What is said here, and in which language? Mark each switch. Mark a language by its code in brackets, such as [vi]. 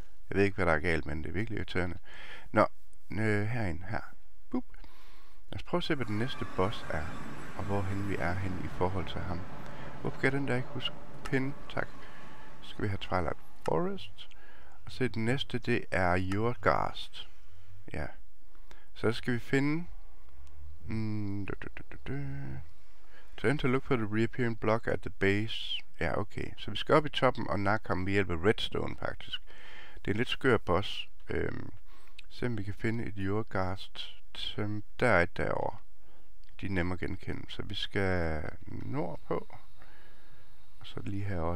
[da] Jeg ved ikke, hvad der er galt, men det er virkelig irriterende. Nå, herind, her. Boop. Lad os prøve at se, hvad den næste boss er, og hvorhen vi er hen i forhold til ham. Hvorfor kan den der ikke huske pinde? Tak. Så skal vi have Twilight Forest. Og se, den næste, det er Yurghast. Ja. Så skal vi finde... [en] Turn to look for the reappearing block at the base. [da] Ja, okay. Så vi skal op i toppen og nakkomme ved hjælp af redstone, faktisk. Det er en lidt skør boss. Se om vi kan finde et Yurghast. Der er et derovre. De er nemme at genkende. Så vi skal nordpå. Og så lige herovre.